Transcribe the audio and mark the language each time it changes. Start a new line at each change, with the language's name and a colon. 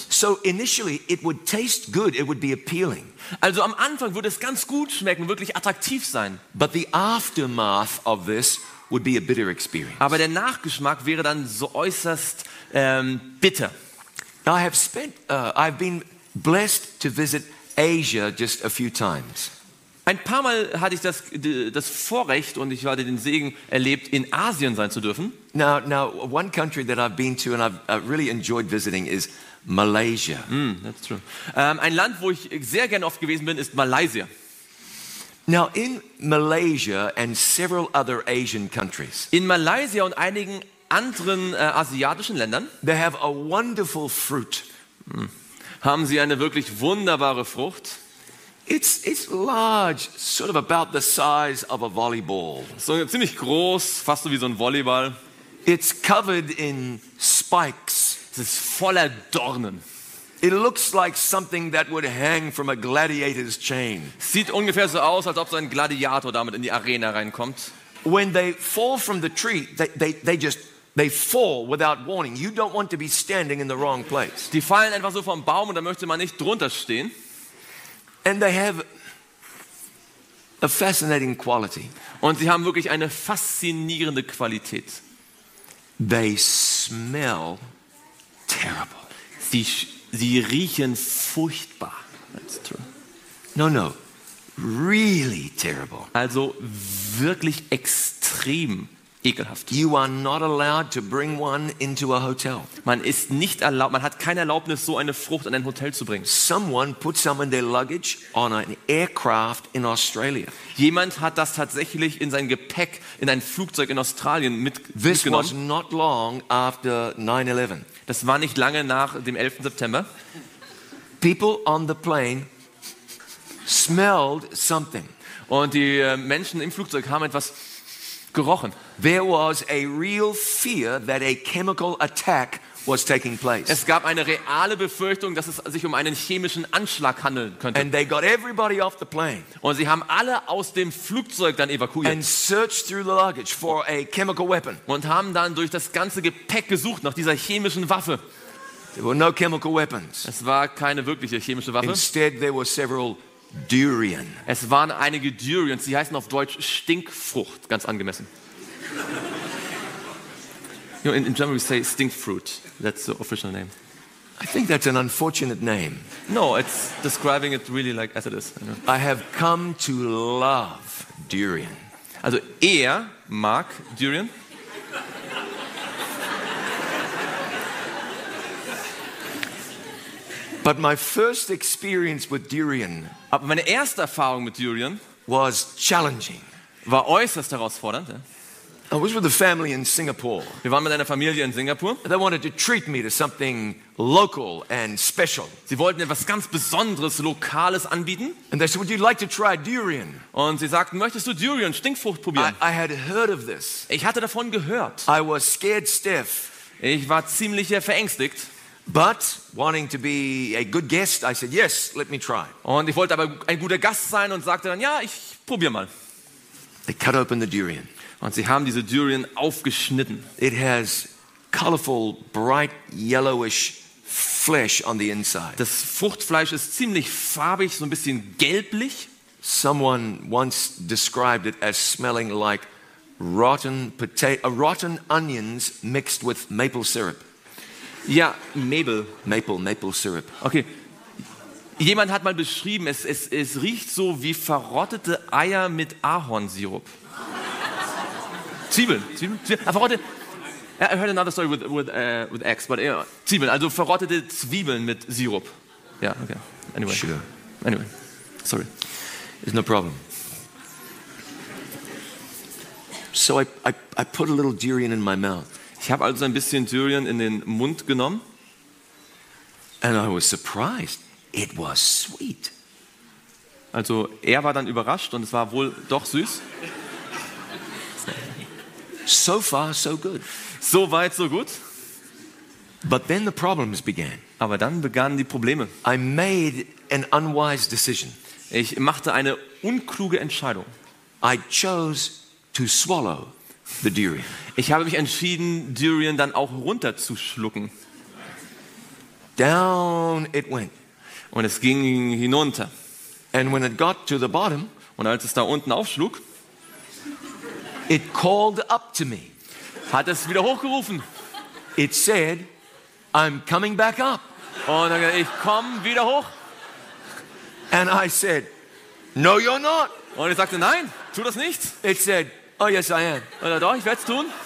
English: So initially it would taste good, it would be appealing.
German: Also am Anfang würde es ganz gut schmecken, wirklich attraktiv sein.
English: But the aftermath of this would be a bitter experience.
German: Aber der Nachgeschmack wäre dann so äußerst bitter.
English: Now I've been blessed to visit Asia just a few times.
German: Ein paar Mal hatte ich das Vorrecht und ich hatte den Segen erlebt, in Asien sein zu dürfen.
English: Now one country that I've been to and I've really enjoyed visiting is Malaysia. That's true.
German: Ein Land, wo ich sehr gerne oft gewesen bin, ist Malaysia.
English: Now in Malaysia and several other Asian countries.
German: In Malaysia und einigen anderen asiatischen Ländern.
English: They have a wonderful fruit.
German: Haben sie eine wirklich wunderbare Frucht.
English: It's large, sort of about the size of a volleyball.
German: So ziemlich groß, fast so wie so ein Volleyball.
English: It's covered in spikes.
German: Es ist voller Dornen.
English: It looks like something that would hang from a gladiator's chain.
German: Sieht ungefähr so aus, als ob so ein Gladiator damit in die Arena reinkommt.
English: When they fall from the tree, they fall without warning. You don't want to be standing in the wrong place.
German: Die fallen einfach so vom Baum und da möchte man nicht drunter stehen.
English: And they have a fascinating quality.
German: Und sie haben wirklich eine faszinierende Qualität.
English: They smell terrible.
German: Sie riechen furchtbar.
English: That's true. No, really terrible.
German: Also wirklich extrem ekelhaft.
English: You are not allowed to bring one into a hotel.
German: Man ist nicht erlaubt, man hat keine Erlaubnis, so eine Frucht in ein Hotel zu bringen.
English: Someone put some in their luggage on an aircraft in Australia.
German: Jemand hat das tatsächlich in sein Gepäck in ein Flugzeug in Australien mitgenommen.
English: This was not long after 9/11.
German: Das war nicht lange nach dem 11. September.
English: People on the plane smelled something.
German: Und die Menschen im Flugzeug haben etwas gerochen.
English: There was a real fear that a chemical attack was taking place.
German: Es gab eine reale Befürchtung, dass es sich um einen chemischen Anschlag handeln könnte.
English: And they got everybody off the plane.
German: Und sie haben alle aus dem Flugzeug dann evakuiert.
English: And searched through the luggage for a chemical weapon.
German: Und haben dann durch das ganze Gepäck gesucht nach dieser chemischen Waffe.
English: There were no chemical weapons.
German: Es war keine wirkliche chemische Waffe.
English: Instead there were several Durian.
German: Es waren einige Durians. Sie heißen auf Deutsch Stinkfrucht. Ganz angemessen.
English: You know, in German we say Stinkfruit. That's the official name. I think that's an unfortunate name. No, it's describing it really like as it is. I have come to love durian.
German: Also mag Durian.
English: But my first experience with durian,
German: aber meine erste Erfahrung mit durian
English: was challenging.
German: War äußerst herausfordernd. Ja?
English: I was with a family in Singapore.
German: Wir waren mit einer Familie in Singapur.
English: They wanted to treat me to something local and special.
German: Sie wollten etwas ganz Besonderes, Lokales anbieten.
English: And they said, "Would you like to try durian?"
German: Und sie sagten, möchtest du Durian, Stinkfrucht probieren?
English: I had heard of this.
German: Ich hatte davon gehört.
English: I was scared stiff.
German: Ich war ziemlich verängstigt.
English: But wanting to be a good guest, I said, "Yes, let me try."
German: Und ich wollte aber ein guter Gast sein und sagte dann, ja, ich probiere mal.
English: They cut open the durian.
German: Und sie haben diese Durian aufgeschnitten.
English: It has colorful, bright, yellowish flesh on the inside.
German: Das Fruchtfleisch ist ziemlich farbig, so ein bisschen gelblich.
English: Someone once described it as smelling like rotten onions mixed with maple syrup.
German: Ja,
English: maple syrup. Okay.
German: Jemand hat mal beschrieben, es riecht so wie verrottete Eier mit Ahornsirup. Zwiebeln. Verrottete.
English: I heard another story with eggs, but yeah.
German: Zwiebeln. Also verrottete Zwiebeln mit Sirup.
English: Ja, yeah, okay. Anyway. Sure. Anyway. Sorry. It's no problem. So I put a little durian in my mouth.
German: Ich habe also ein bisschen Durian in den Mund genommen.
English: And I was surprised. It was sweet.
German: Also er war dann überrascht und es war wohl doch süß.
English: So far so good.
German: So weit so gut.
English: But then the problems began.
German: Aber dann begannen die Probleme.
English: I made an unwise decision.
German: Ich machte eine unkluge Entscheidung.
English: I chose to swallow the durian.
German: Ich habe mich entschieden, Durian dann auch runterzuschlucken.
English: Down it went.
German: Und es ging hinunter.
English: And when it got to the bottom,
German: und als es da unten aufschlug,
English: it called up to me.
German: Hat es wieder hochgerufen.
English: It said, I'm coming back up.
German: Und dann, ich komme wieder hoch.
English: And I said, no, you're not.
German: Und ich sagte, nein, tu das nicht.
English: It said, oh yes, I am.
German: Und dann, doch, ich werde es tun.